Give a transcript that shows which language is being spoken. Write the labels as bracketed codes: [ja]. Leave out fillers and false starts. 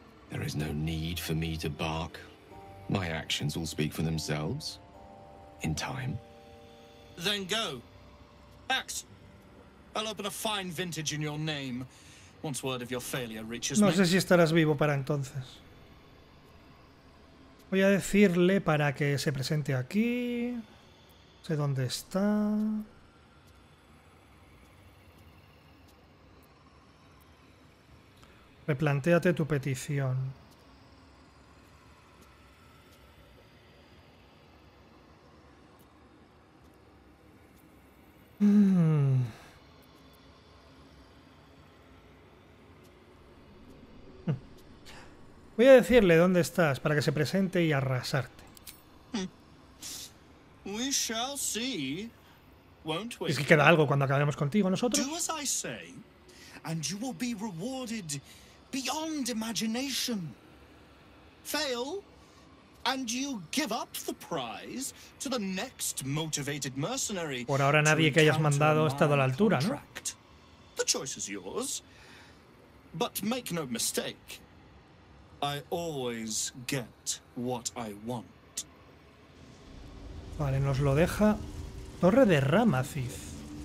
[en] There is no need for me to bark. My actions will speak for themselves. In time. Then go. Axe, I'll open a fine vintage in your name once word of your failure reaches me. [es] No sé si estarás vivo para entonces. Voy a decirle para que se presente aquí. Sé dónde está. Replantéate tu petición. Mm. Voy a decirle dónde estás para que se presente y arrasarte. [en] We shall see. Won't we? [es] Es que queda algo cuando acabemos contigo nosotros. [en] Do as I say, and you will be rewarded beyond imagination. Fail, and you give up the prize to the next motivated mercenary. [es] Por ahora nadie que hayas mandado ha estado a la altura, ¿no? [en] The choice is yours. But make no mistake. I always get what I want. [es] Vale, nos lo deja. Torre de Ramacis.